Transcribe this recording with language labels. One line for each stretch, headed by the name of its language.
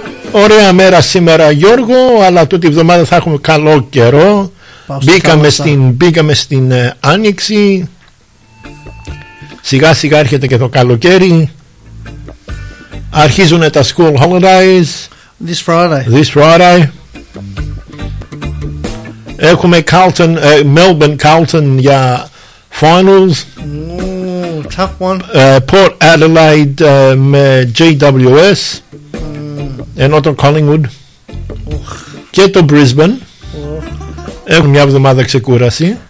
Greek: Ωραία μέρα σήμερα Γιώργο, αλλά τούτη εβδομάδα θα έχουμε καλό καιρό. Μπήκαμε στην άνοιξη. Σιγά σιγά έρχεται και το καλοκαίρι. Αρχίζουν τα
English: school holidays. This Friday.
Greek: Έχουμε Carlton, Melbourne Carlton για finals.
English: Tough one.
Greek: Port Adelaide με GWS. Ενώ το Collingwood και το Brisbane έχουν μια εβδομάδα ξεκούραση.